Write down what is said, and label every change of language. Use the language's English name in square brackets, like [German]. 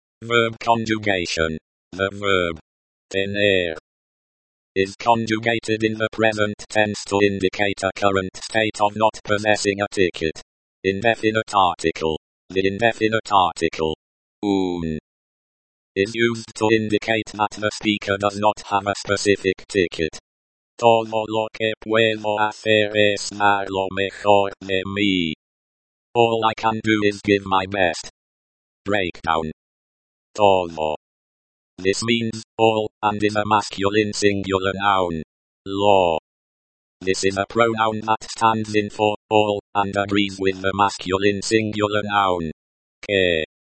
[English] Verb conjugation. The verb tener is conjugated in the present tense to indicate a current state of not possessing a ticket. Indefinite article. The indefinite article un is used to indicate that the speaker does not have a specific ticket. [Spanish] Todo lo que puedo hacer es dar lo mejor de mí. [English] All I can do is give my best. Breakdown. Todo. This means all, and is a masculine singular noun. Lo. This is a pronoun that stands in for all, and agrees with the masculine singular noun. Que.